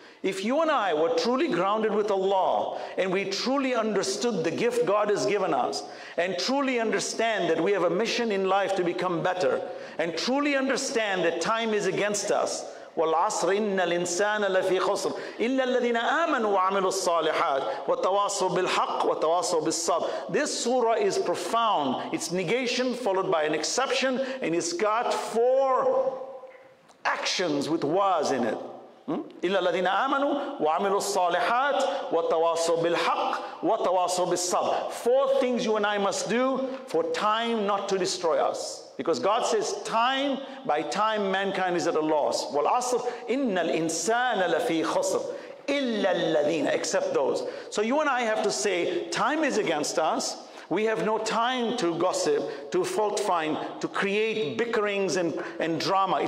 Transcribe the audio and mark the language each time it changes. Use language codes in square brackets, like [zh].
[en] If you and I were truly grounded with Allah, and we truly understood the gift God has given us, and truly understand that we have a mission in life to become better, and truly understand that time is against us, [ar] والعصر إن الإنسان لفي خسر إلا الذين آمنوا وعملوا الصالحات وتواصوا بالحق وتواصوا بالصبر. [en] This surah is profound. It's negation followed by an exception, and it's got four actions with was in it. [ar] إلا الذين آمنوا وعملوا الصالحات وتواصوا بالحق وتواصوا بالصبر. [en] Four things you and I must do for time not to destroy us. Because God says, time by time, mankind is at a loss. [ar] Wal asr, innal insana lafi khusr, illa alladhina, [en] except those. So you and I have to say, time is against us. We have no time to gossip, to fault find, to create bickerings and drama.